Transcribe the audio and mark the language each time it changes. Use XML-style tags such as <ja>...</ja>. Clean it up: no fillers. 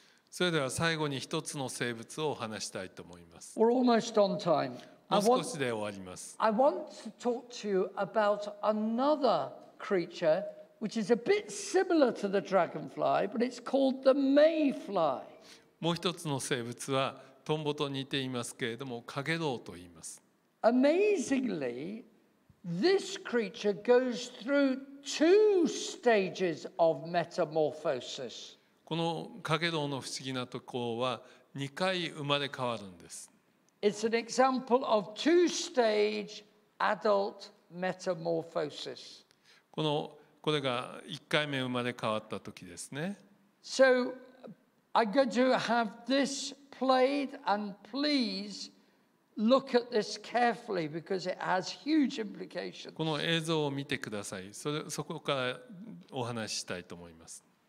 <ja>それでは最後に一つの生物をお話したいと思います。</ja> <en>We're almost on time.</en> <ja>もう少しで終わります。</ja> <en>I want to talk to you about another creature which is a bit similar to the dragonfly, but it's called the mayfly.</en> <ja>もう一つの生物はトンボと似ていますけれども、カゲロウと言います。</ja> <en>Amazingly, this creature goes through two stages of metamorphosis.</en> <ja>このカゲロウの不思議なところは2回生まれ変わるんです。</ja> <en>It's an example of two-stage adult metamorphosis.</en> <ja>これが1回目生まれ変わった時ですね。</ja> <en>So I'm going to have this played and please look at this carefully because it has huge implications.</en> <ja>この映像を見てください。そこからお話ししたいと思います。</ja>